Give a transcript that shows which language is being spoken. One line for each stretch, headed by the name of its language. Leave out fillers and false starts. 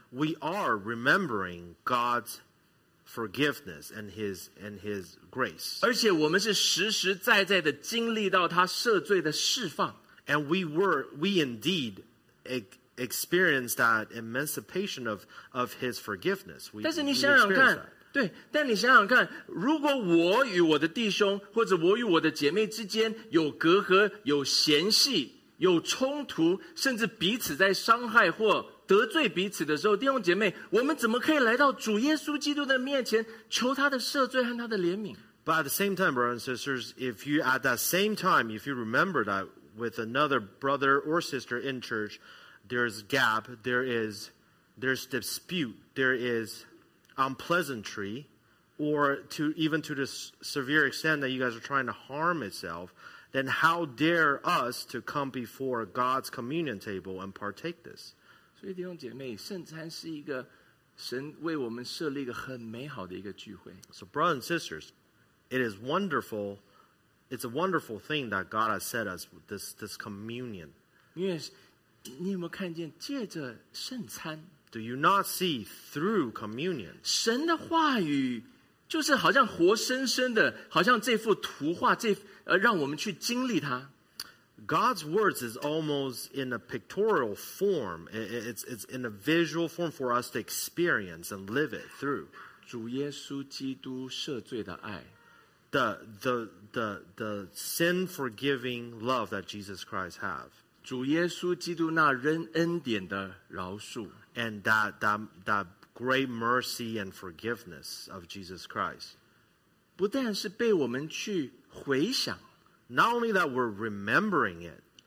English: we are remembering God's forgiveness and his grace.
Chinese: 而且我们是实实在在的经历到他赦罪的释放,
English: and we indeed experienced that emancipation of his forgiveness. We,
Chinese: 但是你想想看, 对, 但你想想看, 如果我与我的弟兄, 或者我与我的姐妹之间有隔阂, 有嫌隙, 有冲突, 甚至彼此在伤害或得罪彼此的时候, 弟兄姐妹, 我们怎么可以来到主耶稣基督的面前, 求他的赦罪和他的怜悯?
English: But at the same time, brothers and sisters, if you at that same time, if you remember that with another brother or sister in church, there's gap, there's dispute, there is unpleasantry, or to even to the severe extent that you guys are trying to harm itself, then how dare us to come before God's communion table and partake this?
Chinese: 所以弟兄姐妹, 圣餐是一个神为我们设立一个很美好的一个聚会。
English: So brothers and sisters, it is wonderful, it's a wonderful thing that God has set us this communion.
Chinese: 因为你有没有看见借着圣餐,
English: Do you not see through communion?
Chinese: 神的话语, 就是好像活生生的, 好像这幅图画, 这, 让我们去经历它。
English: God's words is almost in a pictorial form. It's in a visual form for us to experience and live it through.
Chinese: 主耶稣基督赦罪的爱,
English: the sin forgiving love that Jesus Christ have.
Chinese: 主耶稣基督那仁恩典的饶恕,
English: and that great mercy and forgiveness of Jesus Christ.
Chinese: 不但是被我们去回想,
English: not only that we're remembering it,